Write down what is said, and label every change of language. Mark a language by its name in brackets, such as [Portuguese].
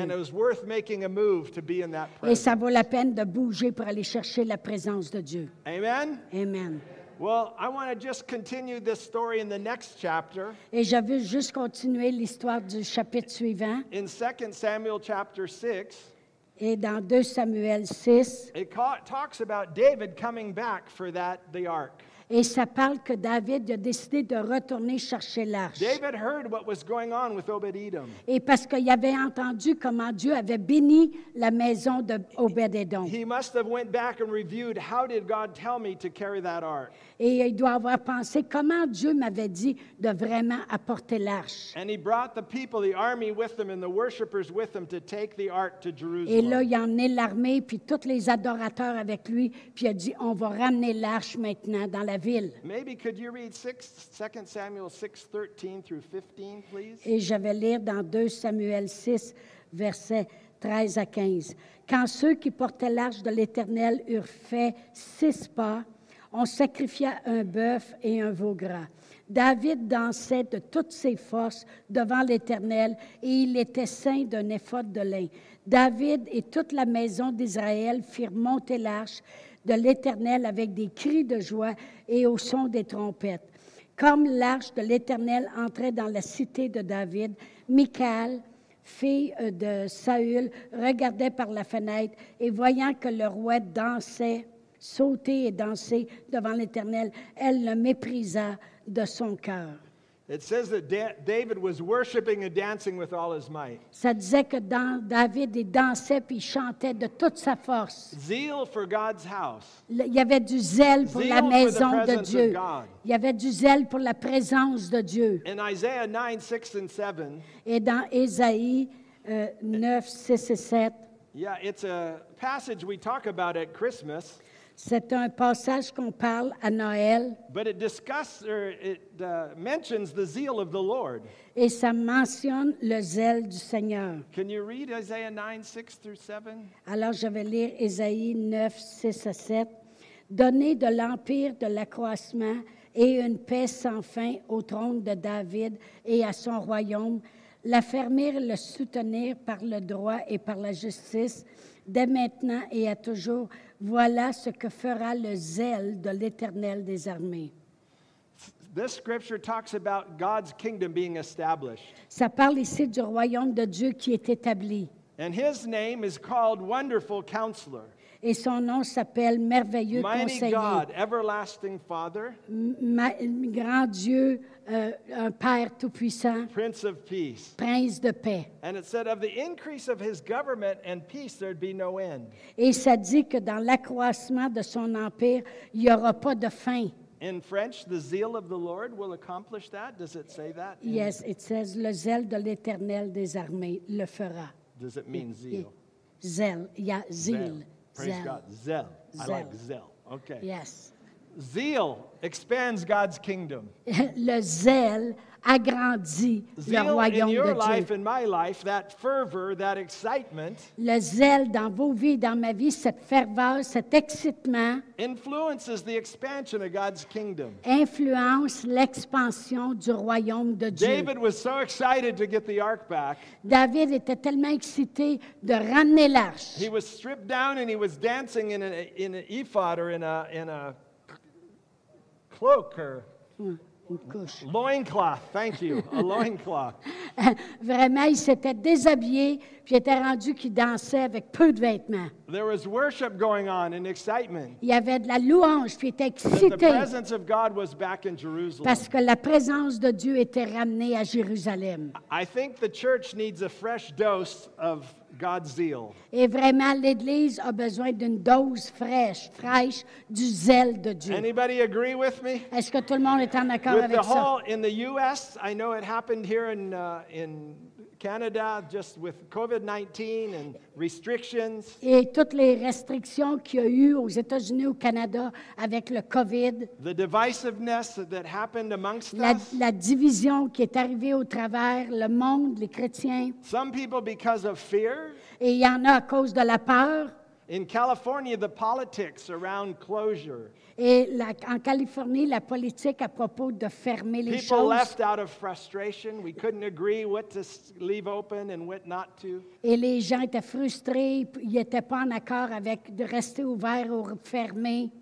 [English] And it was worth making a move to be in that presence. [French] Et ça vaut la peine de bouger pour aller chercher la présence de Dieu. [English] Amen. [French] Amen. [English] Well, I want to just continue this story in the next chapter. [French] Et je veux juste continuer l'histoire du chapitre suivant. [English] In 2 Samuel chapter 6. [French] Et dans 2 Samuel 6. [English] It talks about David coming back for the ark. [French] Et ça parle que David a décidé de retourner chercher l'arche. [English] David heard what was going on with Obed-Edom. [French] Et parce qu'il avait entendu comment Dieu avait béni la maison d'Obed-Edom. [English] He must have went back and reviewed, how did God tell me to carry that ark? [French] Et il doit avoir pensé comment Dieu m'avait dit de vraiment apporter l'arche. [English] And he brought the people, the army with them, and the worshipers with them to take the ark to Jerusalem. [French] Et là, il a emmené l'armée puis tous les adorateurs avec lui puis il a dit, on va ramener l'arche maintenant dans la ville. [English] Maybe could you read 2 Samuel 6:13 through 15, please? [French] Et je vais lire dans 2 Samuel 6, versets 13 à 15. Quand ceux qui portaient l'arche de l'Éternel eurent fait 6 pas, on sacrifia un bœuf et un veau gras. David dansait de toutes ses forces devant l'Éternel et il était ceint d'un éphod de lin. David et toute la maison d'Israël firent monter l'arche de l'Éternel avec des cris de joie et au son des trompettes. Comme l'arche de l'Éternel entrait dans la cité de David, Michal, fille de Saül, regardait par la fenêtre et voyant que le roi dansait, sauter et danser devant l'Éternel, elle le méprisa de son cœur. [English] It says that David was worshiping and dancing with all his might. [French] Ça disait que David il dansait puis il chantait de toute sa force. [English] Zeal for God's house. [French] Il y avait du zèle pour la maison de Dieu. Il y avait du zèle pour la présence de Dieu. [English] In Isaiah 9:6-7. [French] Et dans Ésaïe 9:6-7. [English] Yeah, it's a passage we talk about at Christmas. [French] C'est un passage qu'on parle à Noël. [English] But it discusses or it mentions the zeal of the Lord. [French] Et ça mentionne le zèle du Seigneur. [English] Can you read Isaiah 9:6-7? [French] Alors je vais lire Ésaïe 9:6-7. Donnez de l'empire de l'accroissement et une paix sans fin au trône de David et à son royaume. L'affermir et le soutenir par le droit et par la justice dès maintenant et à toujours. Voilà ce que fera le zèle de l'Éternel des armées. [English] This scripture talks about God's kingdom being established. [French] Ça parle ici du royaume de Dieu qui est établi. [English] And his name is called Wonderful Counselor. [French] et son nom s'appelle Merveilleux [English] Mighty [French] Conseiller. [English] God, Everlasting Father. [French] Grand Dieu, un Père Tout-Puissant. [English] Prince of Peace. [French] Prince de paix. [English] And it said of the increase of his government and peace there'd be no end. [French] Et ça dit que dans l'accroissement de son empire, il y aura pas de fin. [English] In French, the zeal of the Lord will accomplish that. Does it say that? Yes, it says [French] le zèle de l'Éternel des armées le fera. [English] Does it mean zeal? Zèle, yeah, zeal. Praise zeal. God, zeal. I like zeal. Okay. Yes. Zeal expands God's kingdom. [French] Le zèle agrandit [English] zeal [French] le royaume [English] in your [French] de Dieu. [English] Life, in my life, that fervor, that excitement. [French] Le zèle dans vos vies, dans ma vie, cette ferveur, cet excitement. [English] Influences the expansion of God's kingdom. [French] Influence l'expansion du royaume de Dieu. [English] David was so excited to get the ark back. [French] David était tellement excité de ramener l'arche. [English] He was stripped down and he was dancing in an ephod or in a cloak or. Loincloth, thank you, a loincloth. [French] Vraiment, il s'était déshabillé, puis il était rendu qu'il dansait avec peu de vêtements. [English] There was worship going on and excitement. [French] Il y avait de la louange, puis il était excité. [English] The presence of God was back in Jerusalem. [French] Parce que la présence de Dieu était ramenée à Jérusalem. [English] I think the church needs a fresh dose of God's zeal. [French] Et vraiment, l'Église a besoin d'une dose fraîche du zèle de Dieu. [English] Anybody agree with me? [French] Est-ce que tout le monde est en accord [English] with [French] avec [English] the whole, [French] ça? [English] In the U.S., I know it happened here in Canada, just with COVID-19 and restrictions. [French] Et toutes les restrictions qu'il y a eu aux États-Unis, au Canada, avec le COVID. [English] The divisiveness that happened amongst us. [French] La division qui est arrivée au travers le monde, les chrétiens. [English] Some people because of fear. [French] Et il y en a à cause de la peur. [English] In California, the politics around closure. [French] Et en Californie, la politique à propos de fermer les [English] people [French] choses. [English] People left out of frustration. We couldn't agree what to leave open and what not to. [French] Et les gens étaient frustrés. Ils n'étaient pas en accord avec de rester ouvert ou fermé.